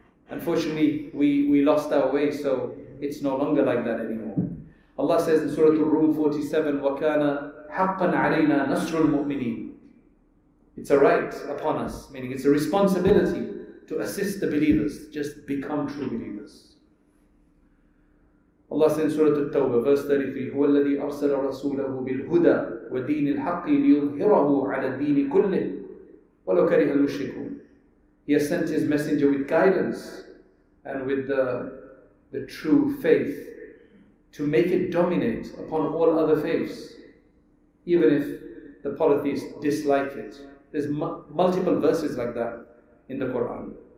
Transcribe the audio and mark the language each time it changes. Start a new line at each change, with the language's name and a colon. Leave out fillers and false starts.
English: Unfortunately, we lost our way, so it's no longer like that anymore. Allah says in Surah Ar-Rum 47,
Arabic: وَكَانَ حَقًّا عَلَيْنَا نَصْرُ الْمُؤْمِنِينَ.
English: It's a right upon us, meaning it's a responsibility to assist the believers, just become true believers. Allah says in Surah At-Tawbah, verse 33,
Arabic: هو الذي أرسل رسوله بالهدى ودين الحق ليظهره على الدين كله ولو كره المشركون.
English: He has sent His messenger with guidance and with the true faith to make it dominate upon all other faiths, even if the polytheists dislike it. There's multiple verses like that in the Quran.